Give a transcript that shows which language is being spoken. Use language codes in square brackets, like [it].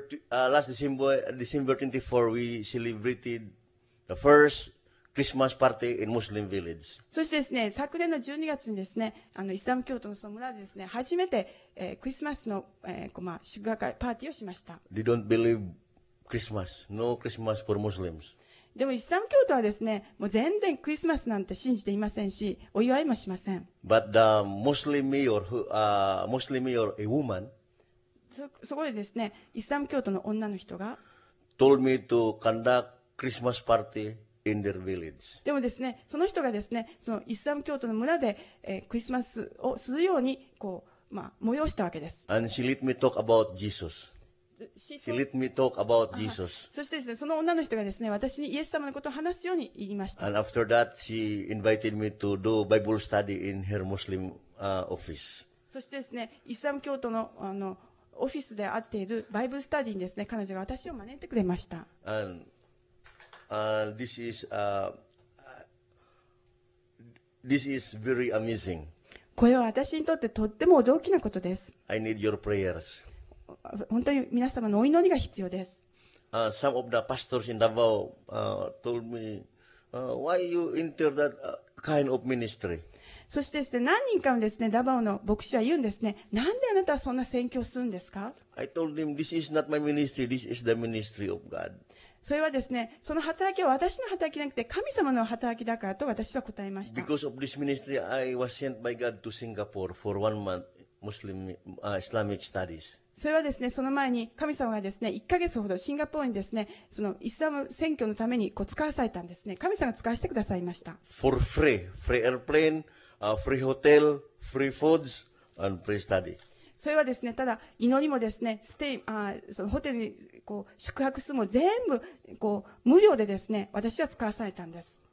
[en] Last December 24, we celebrated the first Christmas party in Muslim village. [ja] そしてですね、昨年の12月にですね、イスラム教徒のその村でですね、初めて、クリスマスの、祝賀会パーティーをしました。 [en] They don't believe Christmas. No Christmas for Muslims. [ja] でもイスラム教徒はですね、もう全然クリスマスなんて信じていませんし、お祝いもしません。 [en] But the Muslim mayor, Muslim mayor, a woman, [ja] そこでですね、イスラム教徒の女の人が、 [en] told me to conduct Christmas party in their village. [ja] でもですね、その人がですね、そのイスラム教徒の村で、クリスマスをするように、こう、催したわけです。 [en] And she let me talk about Jesus. She let me talk about Jesus. [ja] そしてですね、その女の人がですね、私にイエス様のことを話すように言いました。 [en] And after that, she invited me to do Bible study in her Muslim, office. [ja] そしてですね、イスラム教徒の、オフィスで会っているバイブルスタディにですね、彼女が私を招いてくれました。 [en] And this is very amazing. [ja] これは私にとってとっても驚きなことです。 [en] I need your prayers. [ja] 本当に皆様のお祈りが必要です。 [en] Some of the pastors in Davao, told me, why you enter that kind of ministry? [ja] そしてですね、何人かのですね、ダバオの牧師は言うんですね、なんであなたはそんな宣教するんですか [en] ？I told him, this is not my ministry. This is the ministry of God. [ja] それはですね、その働きは私の働きなくて神様の働きだからと私は答えました。 [en] Because of this ministry, I was sent by God to Singapore for 1 month Muslim, Islamic studies. [ja] それはですね、その前に神様がですね、1ヶ月ほどシンガポールにですね、そのイスラム宣教のためにこう使わされたんですね。神様が使わせてくださいました。 [en] For free, free airplane, free hotel, free foods, and free study. [ja] それはですね、ただ祈りもですね、ステイ、そのホテルにこう宿泊数も全部こう無料でですね、私は使わされたんです。